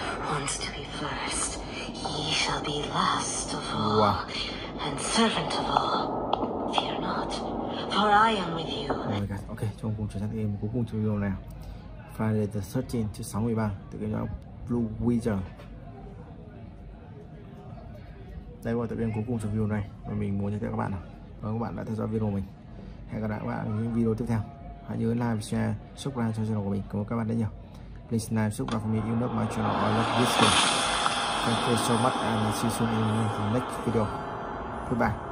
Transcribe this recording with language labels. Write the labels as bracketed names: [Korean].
[English] Wants to be first, he shall be last of all, wow. And servant of all. Fear not, for I am with you. Oh my God. Okay, 中共全场的 game 国共中用呢 Friday the 13th to 三月半，这个叫 Blue Wizard。 [Vietnamese] Đây là tập viên cuối cùng trong video này và mình muốn nhắc nhở các bạn là các bạn đã theo dõi video mình. Hẹn gặp lại các bạn ở những video tiếp theo. Hãy nhớ like, share, subscribe cho channel của mình. Cảm ơn các bạn rất nhiều. [English] Please like, subscribe for me, you love my channel, I love this game. Thank you so much and see you soon in the next video. Goodbye.